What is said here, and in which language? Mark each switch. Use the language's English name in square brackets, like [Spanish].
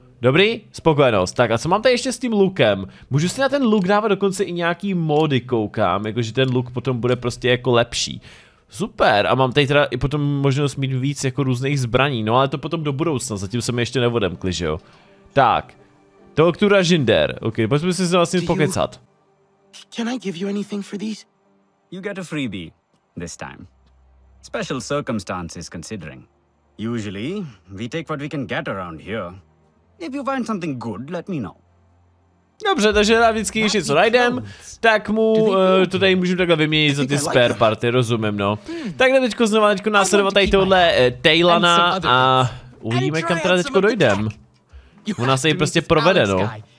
[Czech] Dobrý, spokojenost, tak a co mám tady ještě s tím lookem, můžu si na ten look dávat dokonce i nějaký mody, koukám, jakože ten look potom bude prostě jako lepší. Super, a mám tady teda i potom možnost mít víc jako různých zbraní, no ale to potom do budoucna, zatím se mi ještě neodemkli, že jo. Tak. Doktora Jinder. Ok, pojďme si vlastně pokecat. [English] Can I give you anything for these? You get a freebie this time. Special circumstances considering. Usually, we take what we can get around here. If you find something good, let me know. [Czech] Dobře, takže já vždycky, když něco najdem, tak mu to tady můžu takhle vyměnit za ty spare party, rozumím, no. Tak jdeme teďko znovu teďko následovat tady tohle Taylana a uvidíme, kam teda teďko dojdem. U nás se jí prostě provede, no.